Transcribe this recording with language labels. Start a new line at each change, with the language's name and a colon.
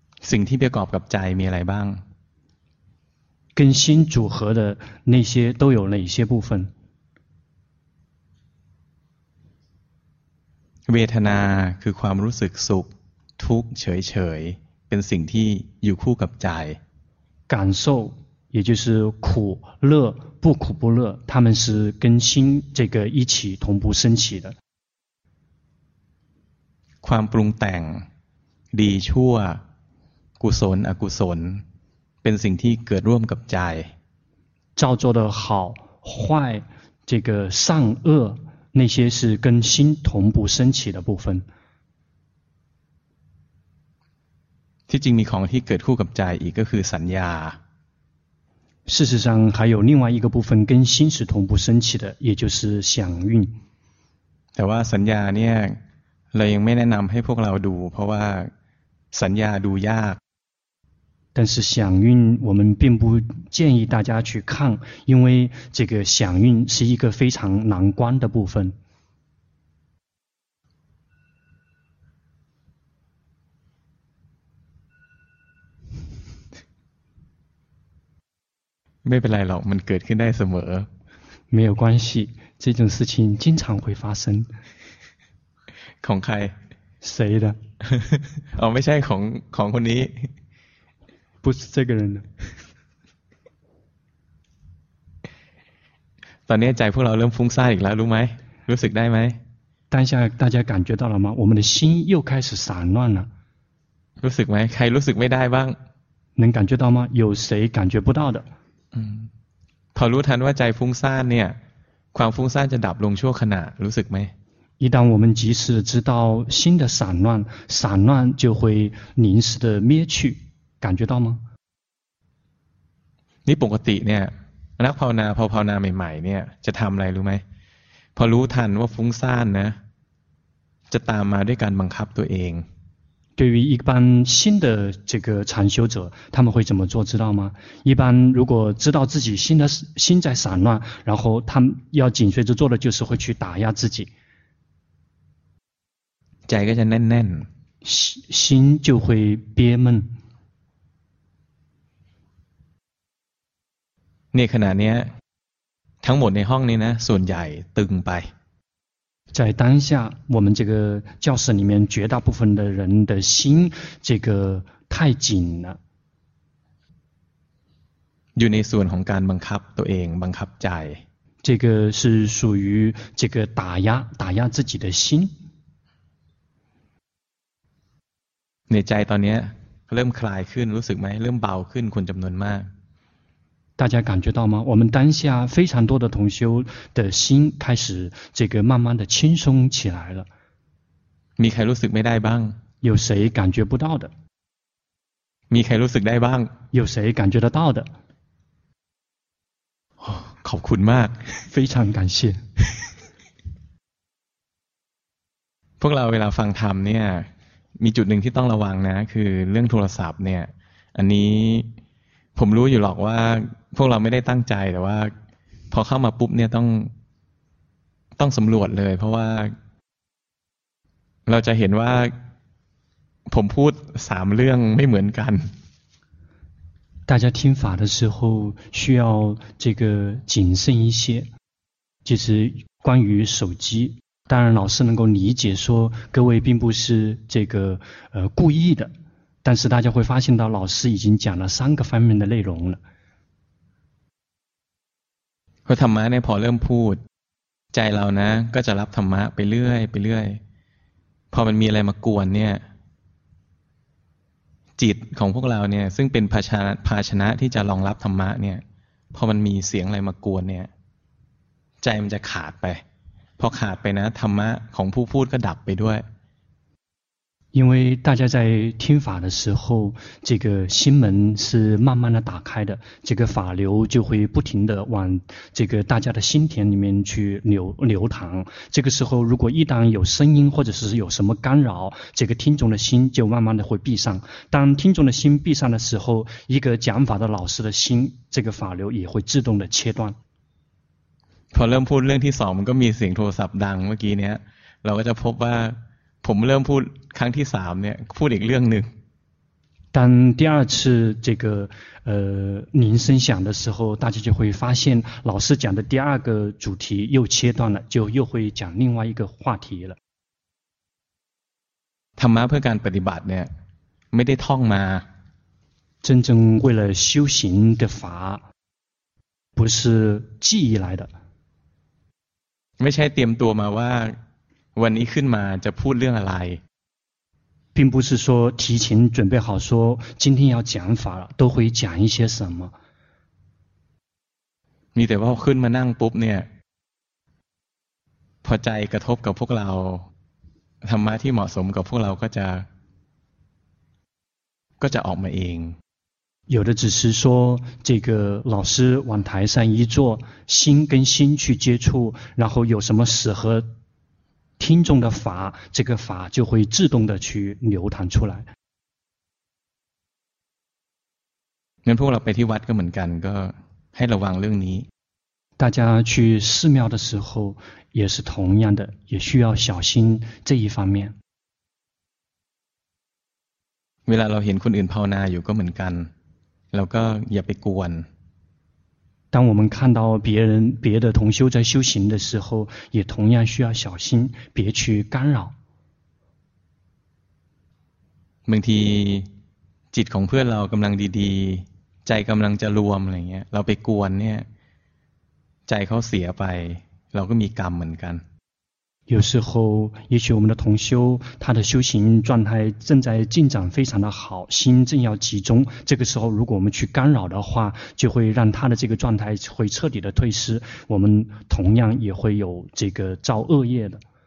Thai: สิ่งที่ประกอบกับใจมีอะไรบ้าง
Chinese: 跟心组合的那些都有哪些部分
Thai: เวทนาคือความรู้สึกสุขทุกข์เฉยๆเป็นสิ่งที่อยู่คู่กับใจ
Chinese: 感受也就是苦乐不苦不乐他们是跟心这个一起同步升起的
Thai: ความปรุงแต่งดีชั่วกุศลอกุศลเป็นสิ่งที่เกิดร่วมกับใจ
Chinese: 造作的好坏这个善恶那些是跟心同步升起的部分
Thai: ที่จริงมีของที่เกิดคู่กับใจอีกก็คือสัญญา
Chinese: 事实上还有另外一个部分跟心是同步升起的也就是想蕴
Thai: แต่ว่าสัญญาเนี่ยเรายังไม่แนะนำให้พวกเราดูเพราะว่าสัญญาดูยาก
Chinese: 但是想蕴我们并不建议大家去看因为这个想蕴是一个非常难观的部分
Thai: ไม่เป็นไรหรอกมันเกิดขึ้นได้เสมอ
Chinese: 没有关系这种事情经常会发生
Thai: ของใคร
Chinese: 谁的
Thai: 哦ไม่ใช่ของของคนนี้
Chinese: 不是这个人的
Thai: ตอนนี้ใจพวกเราเริ่มฟุ้งซ่านอีกแล้วรู้ไหมรู้สึกได้ไหม
Chinese: 当下大家感觉到了吗我们的心又开始散乱了
Thai: รู้สึกไหมใครรู้สึกไม่ได้บ้าง
Chinese: 能感觉到吗有谁感觉不到的
Thai: พอรู้ทันว่าใจฟุ้งซ่านเนี่ยความฟุ้งซ่านจะดับลงชั่วขณะรู้สึกไหม
Chinese: 一旦我们及时知道心的散乱散乱就会临时的灭去感觉到吗
Thai: นี่ปกติเนี่ยนักภาวนาพอภาวนาใหม่ๆเนี่ยจะทำอะไรรู้ไหมพอรู้ทันว่าฟุ้งซ่านนะจะตามมาด้วยการบังคับตัวเอง
Chinese: 对于一般新的这个禅修者他们会怎么做知道吗一般如果知道自己心的心在散乱然后他们要紧随着做的就是会去打压自己
Thai: ใจก็จะแน่น
Chinese: ๆ心就会憋闷
Thai: นี่ขณะนี้ทั้งหมดในห้องนี้นะส่วนใหญ่ตึงไป
Chinese: 在当下我们这个教室里面绝大部分的人的心这个太紧了
Thai: อยู่ในส่วนของการบังคับตัวเองบังคับใจ
Chinese: 这个是属于这个打压，打压自己的心。
Thai: ในใจตอนนี้เริ่มคลายขึ้นรู้สึกไหมเริ่มเบาขึ้นคนจำนวนมาก
Chinese: 大家感觉到吗？我们当下非常多的同修的心开始这个慢慢的轻松起来了。
Thai: มีใครรู้สึกไม่ได้บ้าง？
Chinese: 有谁感觉不到的？
Thai: มีใครรู้สึกได้บ้าง？
Chinese: 有谁感觉得到的？
Thai: ขอบคุณมาก
Chinese: 非常感谢。
Thai: พวกเราเวลาฟังธรรมเนี่ยมีจุดหนึ่งที่ต้องระวังนะคือเรื่องโทรศัพท์เนี่ยอันนี้ผมรู้อยู่หรอกว่าพวกเราไม่ได้ตั้งใจแต่ว่าพอเข้ามาปุ๊บเนี่ยต้องสำรวจเลยเพราะว่าเราจะเห็นว่าผมพูด3เรื่องไม่เหมือนกัน
Chinese: 大家听法的时候需要这个谨慎一些，就是关于手机。当然，老师能够理解说各位并不是这个故意的，但是大家会发现到老师已经讲了三个方面的内容了。
Thai: พอธรรมะเนี่ยพอเริ่มพูดใจเรานะก็จะรับธรรมะไปเรื่อยไปเรื่อยพอมันมีอะไรมากวนเนี่ยจิตของพวกเราเนี่ยซึ่งเป็นภาชนะที่จะรองรับธรรมะเนี่ยพอมันมีเสียงอะไรมากวนเนี่ยใจมันจะขาดไปพอขาดไปนะธรรมะของผู้พูดก็ดับไปด้วย
Chinese: 因为大家在听法的时候这个心门是慢慢的打开的这个法流就会不停的往这个大家的心田里面去流淌这个时候如果一旦有声音或者是有什么干扰这个听众的心就慢慢的会闭上当听众的心闭上的时候一个讲法的老师的心这个法流也会自动的切断
Thai: พอเริ่มพูดเรื่องที่สองมันก็มีเสียงโทรศัพท์ดังเมื่อกี้เนี้ยเราก็จะพบว่าผมเริ่มพูดครั้งที่สามเนี่ยพูดอีกเรื่องหนึ่ง
Chinese: 当第二次这个铃声响的时候大家就会发现老师讲的第二个主题又切断了就又会讲另外一个话题了
Thai: ธรรมะเพื่อการปฏิบัติเนี่ยไม่ได้ท่องมา
Chinese: 真正为了修行的法不是记忆来的
Thai: ไม่ใช่เตรียมตัวมาว่าวันนี้ขึ้นมาจะพูดเรื่องอะไร
Chinese: 并不是说提前准备好说今天要讲法了都会讲一些什么
Thai: มีแต่ว่าขึ้นมานั่งปุ๊บเนี่ยพอใจกระทบกับพวกเราธรรมะที่เหมาะสมกับพวกเราก็จะออกมาเอง
Chinese: 有的只是说这个老师往台上一坐心跟心去接触然后有什么适合听众的法这个法就会自动的去流淌出来
Thai: 那พวกเราไปที่วัดก็เหมือนกันก็ให้ระวังเรื่องนี้
Chinese: 大家去寺庙的时候也是同样的也需要小心这一方面
Thai: เวลาเราเห็นคนอื่นภาวนาอยู่ก็เหมือนกันเราก็อย่าไปกวน
Chinese: 当我们看到别的同修在修行的时候也同样需要小心别去干扰
Thai: บางทีจิตของเพื่อนเรากำลังดีๆใจกำลังจะรวมอะไรเงี้ยเราไปกวนเนี่ยใจเขาเสียไปเราก็มีกรรมเหมือนกัน
Chinese: 有时候也许我们的同修他的修行状态正在进展非常的好心正要集中这个时候如果我们去干扰的话就会让他的这个状态会彻底的退失我们同样也会有这个造恶业的